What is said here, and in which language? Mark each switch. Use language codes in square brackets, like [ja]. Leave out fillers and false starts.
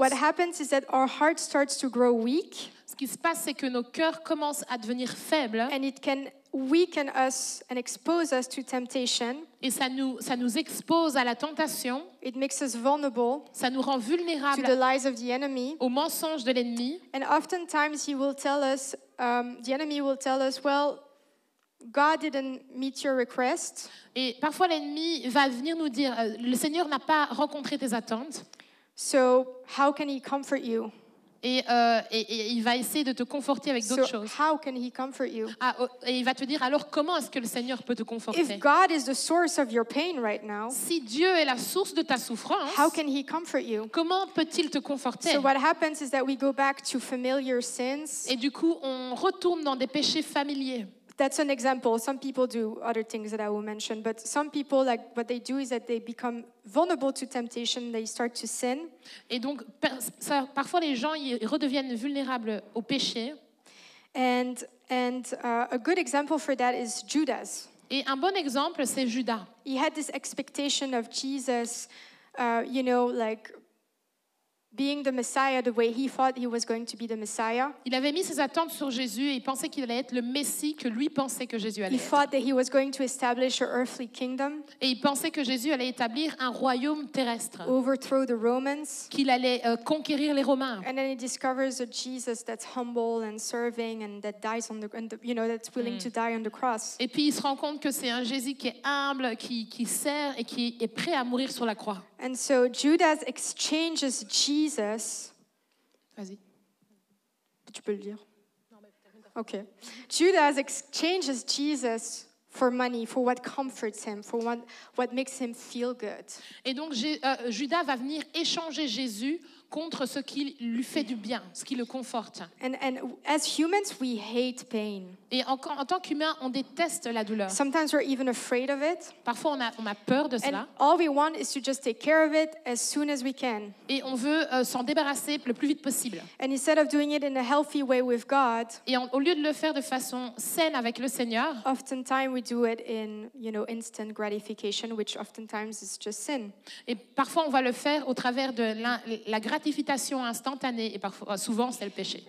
[en] what happens is that our heart starts to grow weak. [fr] Ce qui se passe, c'est que nos cœurs commencent à devenir faibles. [en] And it can weaken us and expose us to temptation. [fr] Et ça nous expose à la tentation. [en] It makes us vulnerable. [fr] Ça nous rend vulnérables. [en] To the lies of the enemy. [fr] Aux mensonges de l'ennemi. [en] And oftentimes he will tell us, the enemy will tell us, well, God didn't meet your request. [fr] Et parfois l'ennemi va venir nous dire, le Seigneur n'a pas rencontré tes attentes. [en] So how can he comfort you? [fr] Et il va essayer de te conforter avec d'autres choses. [en] How can he comfort you? [fr] Et il va te dire, alors comment est-ce que le Seigneur peut te conforter? [en] If God is the source of your pain right now, [fr] si Dieu est la source de ta souffrance, [en] how can he comfort you? [fr] Comment peut-il te conforter? [en] So what happens is that we go back to familiar sins. [fr] Et du coup, on retourne dans des péchés familiers. [en] That's an example. Some people do other things that I will mention, but some people, like what they do, is that they become vulnerable to temptation. They start to sin. [fr] Et donc, parfois les gens ils redeviennent vulnérables au péché. [en] And a good example for that is Judas. [fr] Et un bon exemple c'est Judas. [en] He had this expectation of Jesus, you know, like being the Messiah the way he thought he was going to be the Messiah. [fr] Il avait mis ses attentes sur Jésus et il pensait qu'il allait être le Messie que lui pensait que Jésus allait [en] être. He thought that he was going to establish an earthly kingdom. [fr] Et il pensait que Jésus allait établir un royaume terrestre. [en] Overthrow the Romans. [fr] Qu'il allait conquérir les Romains. [en] And then he discovers a Jesus that's humble and serving and that dies on the, you know, that's willing to die on the cross. [fr] Et puis il se rend compte que c'est un Jésus qui est humble, qui sert et qui est prêt à mourir sur la croix. [en] And so Judas exchanges Jesus. [fr] Vas-y. Tu peux le lire. Okay. [en] Judas exchanges Jesus for money, for what comforts him, for what makes him feel good. [fr] Et donc Judas va venir échanger Jésus contre ce qui lui fait du bien, ce qui le conforte. [en] And as humans, we hate pain. [fr] Et en tant qu'humain, on déteste la douleur. [en] Sometimes we're even afraid of it. [fr] Parfois, on a peur de cela. [en] And all we want is to just take care of it as soon as we can. [fr] Et on veut s'en débarrasser le plus vite possible. [en] And instead of doing it in a healthy way with God, [fr] et au lieu de le faire de façon saine avec le Seigneur, [en] oftentimes we do it in, you know, instant gratification, which oftentimes is just sin. [fr] Et parfois, on va le faire au travers de la gratification instantanée, et parfois, souvent, c'est le péché.